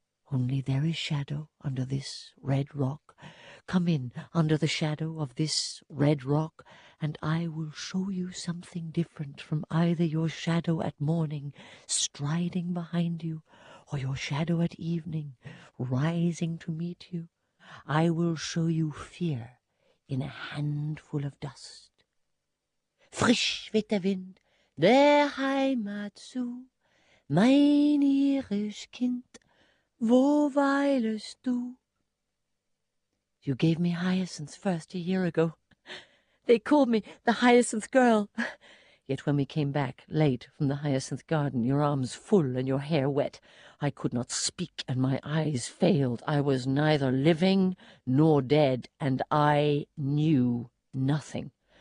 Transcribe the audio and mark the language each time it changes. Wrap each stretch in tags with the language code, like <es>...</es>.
<en>Only there is shadow under this red rock. Come in under the shadow of this red rock, and I will show you something different from either your shadow at morning, striding behind you, or your shadow at evening, rising to meet you. I will show you fear in a handful of dust.</en> <de>Frisch weht der Wind der Heimat zu, mein irisch Kind, wo weilest du?</de> <en>You gave me hyacinths first a year ago. They called me the hyacinth girl. Yet when we came back late from the hyacinth garden, your arms full and your hair wet, I could not speak and my eyes failed. I was neither living nor dead, and I knew nothing.</en>